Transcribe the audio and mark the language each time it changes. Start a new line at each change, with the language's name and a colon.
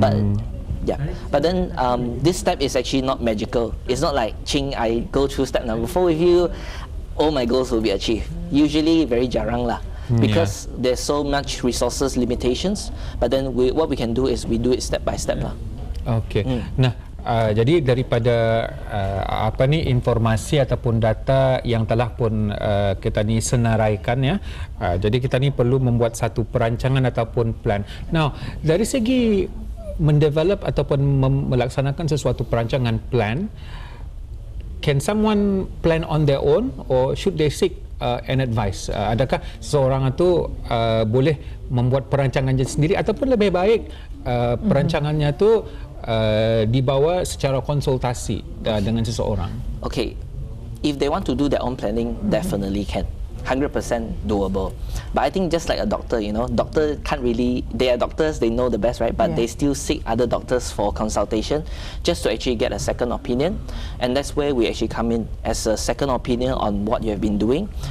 English: But yeah, but then this step is actually not magical. It's not like, ching, I go through step number four with you, all my goals will be achieved. Usually very
Malay: jarang lah.
English: Because yeah, there's so much resources limitations, but then we, what we can do is we do it step by step lah. Okay. Mm.
Malay: Nah, jadi daripada apa ni informasi ataupun data yang telah pun kita ni senaraikan ya. Jadi kita ni perlu membuat satu perancangan ataupun plan.
English: Now,
Malay: dari segi mendevelop ataupun melaksanakan sesuatu perancangan plan,
English: can someone plan on their own or should they seek an advice?
Malay: Adakah seorang itu boleh membuat perancangannya sendiri ataupun lebih baik perancangannya itu dibawa secara konsultasi dengan seseorang?
English: Okay, if they want to do their own planning, definitely can. 100% doable. But I think just like a doctor, you know, doctor can't really, they are doctors, they know the best, right? But yeah, they still seek other doctors for consultation just to actually get a second opinion. And that's where we actually come in as a second opinion on what you have been doing.